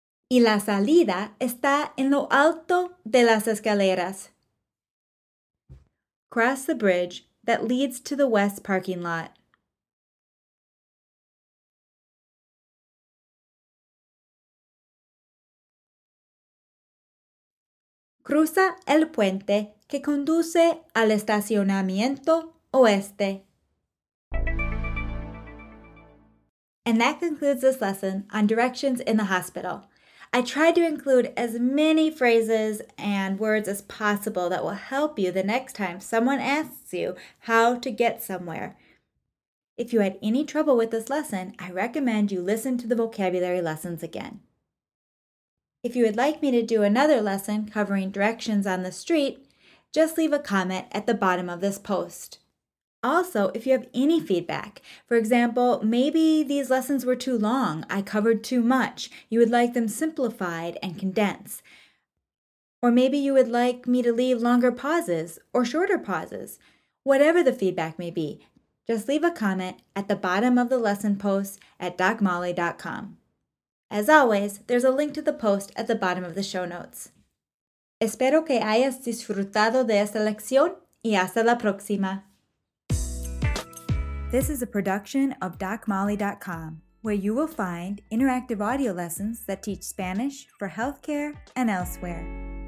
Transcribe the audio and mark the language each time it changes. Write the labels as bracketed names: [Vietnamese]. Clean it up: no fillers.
[Spanish] Y la salida está en lo alto de las escaleras. [English] Cross the bridge that leads to the west parking lot. [Spanish] Cruza el puente que conduce al estacionamiento oeste. [English] And that concludes this lesson on directions in the hospital. I tried to include as many phrases and words as possible that will help you the next time someone asks you how to get somewhere. If you had any trouble with this lesson, I recommend you listen to the vocabulary lessons again. If you would like me to do another lesson covering directions on the street, just leave a comment at the bottom of this post. Also, if you have any feedback, for example, maybe these lessons were too long, I covered too much, you would like them simplified and condensed. Or maybe you would like me to leave longer pauses or shorter pauses. Whatever the feedback may be, just leave a comment at the bottom of the lesson post at docmolly.com. As always, there's a link to the post at the bottom of the show notes. [Spanish] Espero que hayas disfrutado de esta lección y hasta la próxima. [English] This is a production of DocMolly.com, where you will find interactive audio lessons that teach Spanish for healthcare and elsewhere.